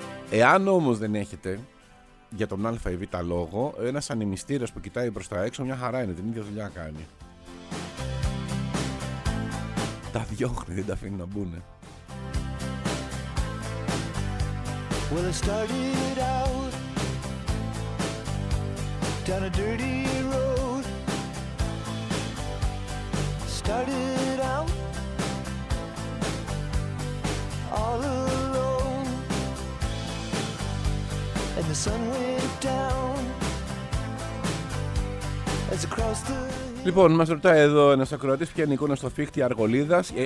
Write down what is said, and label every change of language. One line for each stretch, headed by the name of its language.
Greek: Εάν όμως δεν έχετε, για τον α ή β λόγο, ένας ανεμιστήρας που κοιτάει προς τα έξω, μια χαρά είναι, την ίδια δουλειά κάνει. Τα διώχνει, δεν τα αφήνει να μπουν.
English: Well, I started out down a dirty road. Started out all alone. And the sun went down as across the...
Greek: Λοιπόν, μας ρωτάει εδώ ένας ακροατής ποια είναι η εικόνα στο Φίχτη Αργολίδας.